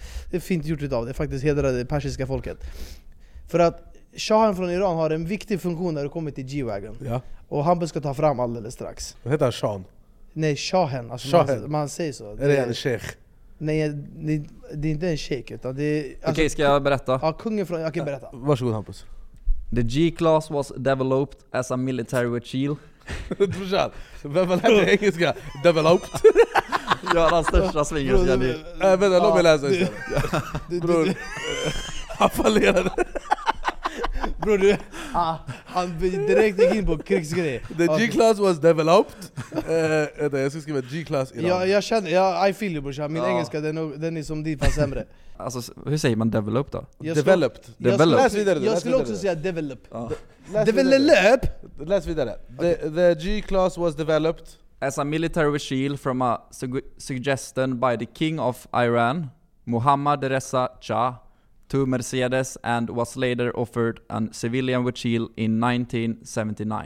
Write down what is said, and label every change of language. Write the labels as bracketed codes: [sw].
[sv] Det är fint gjort av det, faktiskt hedrar det persiska folket. För att shahen från Iran har en viktig funktion när det kommer till G-Wagon. Ja. Och Hampus ska ta fram alldeles strax. Vad heter han, shahen? Nej, shahen. Alltså shahen. Man säger så. Är det en sheikh? Nej, det är inte en sheikh. Alltså, okej, ska jag berätta? Ja, kungen från... Okej, berätta. Varsågod, Hampus. [en] The G-class was developed as a military vehicle. [sv] Förstår. Vem har lärt dig engelska? [en] Developed? [sv] Jag har den största svingen. Vänta, låt mig läsa. Bror. Han fallerade. Bro, du, han direkt gick in på krigsgrej. [en] The G-class was developed. [sv] Jag ska skriva G-class i dag. Jag känner, [en] I feel you, [sv] brorsan. Min engelska, den är som din fast sämre. Alltså, hur säger man developed då? Developed. Läs vidare. Jag skulle också säga develop. Develop? Läs vidare. [en] The G-class was developed. As a military vehicle from a suggestion by the king of Iran, Muhammad Reza Shah, to Mercedes and was later offered a civilian vehicle in 1979.